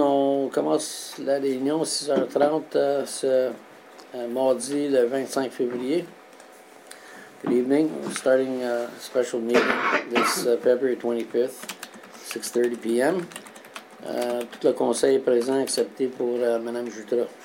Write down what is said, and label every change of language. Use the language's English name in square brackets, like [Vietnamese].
[French] On commence la réunion 6h30 ce mardi le 25 février. [English] Good evening. We're starting a special meeting this February 25th, 6:30 p.m. [French] Tout le conseil est présent, excepté pour Mme Jutra.